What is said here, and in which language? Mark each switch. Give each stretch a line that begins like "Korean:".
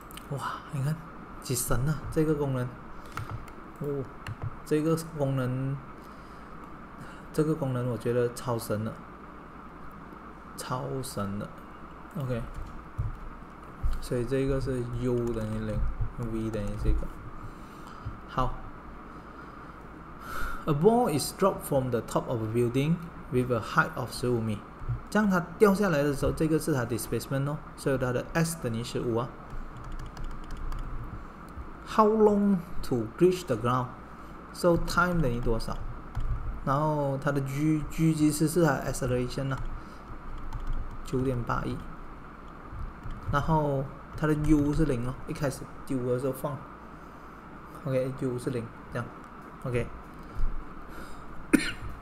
Chinese: 哇，你看几神啊，这个功能，哦，这个功能这个功能我觉得超神的，超神的。 OK， 所以这个是 U 等于零 ，V 等于这个。
English: 好 ，A ball is dropped from the top of a building with a height of 15 米。
Chinese: 这样它掉下来的时候，这个是它 displacement 哦，所以它的 S 等于15啊。
English: How long to reach the ground?
Chinese: So time 等于多少？然后它的 g 其实是它的 acceleration 呢、啊，9.81。然后它的 u 是零哦，一开始丢的时候放 ，OK，u 是零，这样 ，OK 。